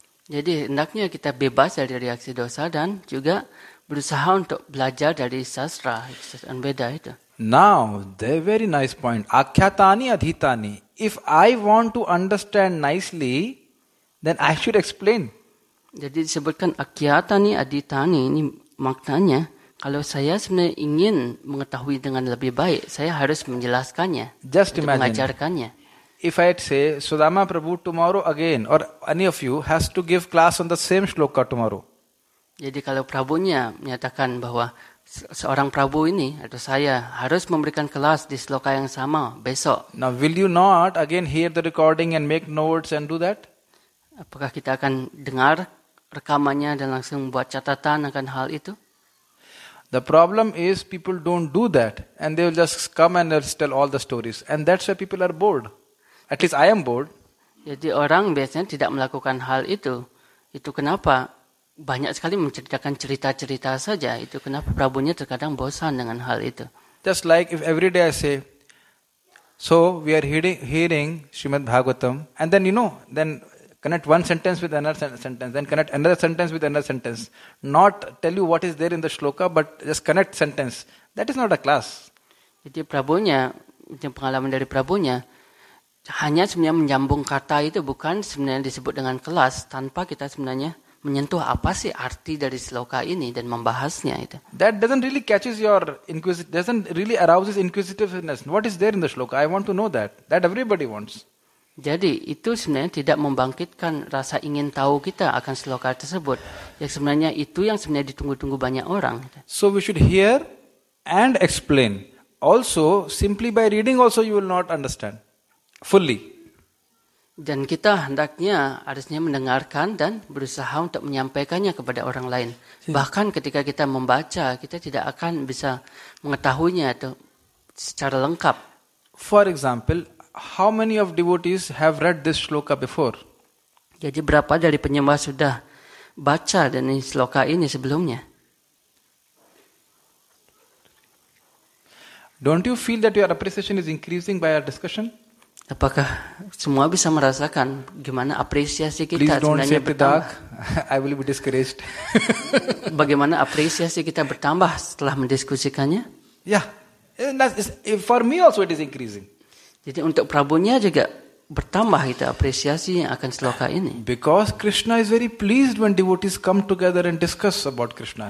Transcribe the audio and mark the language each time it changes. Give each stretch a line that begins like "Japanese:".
Indonesian: Jadi hendaknya kita bebas dari reaksi dosa dan juga berusaha untuk belajar dari sastra and Veda itu.
English: Now, the very nice point. Akhyatani adhitani. If I want to understand nicely, then I should explain.
Indonesian: Jadi disebutkan akhyatani adhitani, ini maknanya, kalau saya sebenarnya ingin mengetahui dengan lebih baik, saya harus menjelaskannya.
English: Just imagine.
Indonesian: Mengajarkannya.
English: If I say, Sudama Prabhu, tomorrow again, or any of you, has to give class on the same shloka tomorrow.
Indonesian: Jadi kalau Prabhunya menyatakan bahwa seorang Prabhu ini atau saya harus memberikan kelas di sloka yang sama besok.
English: Now will you not again hear the recording and make notes and do that?
Indonesian: Apakah kita akan dengar rekamannya dan langsung buat catatan akan hal itu?
English: The problem is people don't do that and they will just come and they'll tell all the stories and that's why people are bored. At least I am bored.
Indonesian: Jadi orang biasanya tidak melakukan hal itu. Itu kenapa? Banyak sekali menceritakan cerita-cerita saja. Itu kenapa Prabhunya terkadang bosan dengan hal itu.
English: Just like if every day I say, so we are hearing Srimad Bhagavatam, and then you know, then connect one sentence with another sentence, then connect another sentence with another sentence. Not tell you what is there in the shloka, but just connect sentence. That is not a class.
Indonesian: Jadi Prabhunya, pengalaman dari Prabhunya, hanya sebenarnya menyambung kata itu, bukan sebenarnya disebut dengan kelas, tanpa kita sebenarnya menyentuh apa sih arti dari sloka ini dan membahasnya itu.
English: That doesn't really catches your doesn't really arouses inquisitiveness. What is there in the shloka? I want to know that. That everybody wants.
Indonesian: Jadi itu sebenarnya tidak membangkitkan rasa ingin tahu kita akan sloka tersebut. Yang sebenarnya itu yang sebenarnya ditunggu-tunggu banyak orang.
English: So we should hear and explain. Also, simply by reading also you will not understand fully.
Indonesian: Dan kita hendaknya harusnya mendengarkan dan berusaha untuk menyampaikannya kepada orang lain. Bahkan ketika kita membaca, kita tidak akan bisa mengetahuinya atau secara lengkap.
English: For example, how many of devotees have read this shloka before?
Indonesian: Jadi berapa dari penyembah sudah baca dari shloka ini sebelumnya?
English: Don't you feel that your appreciation is increasing by our discussion?
Indonesian: Apakah semua bisa merasakan gimana apresiasi kita
English: Please don't
Indonesian: sebenarnya
English: say
Indonesian: bertambah?
English: Pidak. I will be discouraged.
Indonesian: Bagaimana apresiasi kita bertambah setelah mendiskusikannya?
English: Yeah, for me also it is increasing.
Indonesian: Jadi untuk Prabhunya juga bertambah itu apresiasi yang akan shloka ini.
English: Because Krishna is very pleased when devotees come together and discuss about Krishna.